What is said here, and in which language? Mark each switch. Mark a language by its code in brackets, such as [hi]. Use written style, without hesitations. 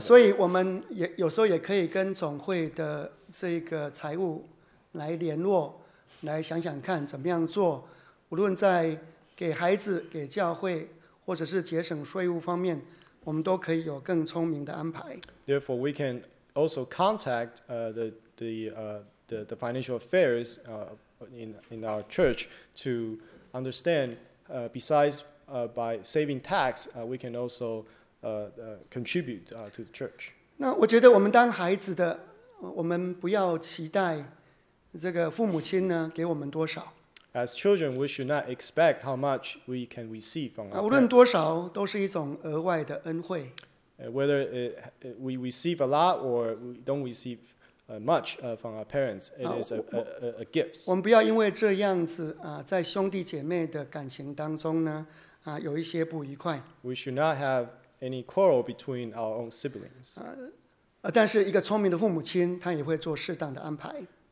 [zh] 所以我们也有时候也可以跟总会的这个财务来联络，来想想看怎么样做，无论在给孩子、给教会。或者是节省税务方面，我们都可以有更聪明的安排。 [en] Therefore, we can also contact the financial affairs in our church to understand. Besides, by saving tax, we can also contribute to the church. [zh] 那我觉得我们当孩子的，我们不要期待这个父母亲呢给我们多少。 [en] As children, we should not expect how much we can receive from our parents. [zh] 无论多少，都是一种额外的恩惠。 [en] Whether we receive a lot or we don't receive much from our parents, it is a gift. [zh] 我们不要因为这样子在兄弟姐妹的感情当中呢有一些不愉快。 [en] We should not have any quarrel between our own siblings. [zh] 但是一个聪明的父母亲，他也会做适当的安排。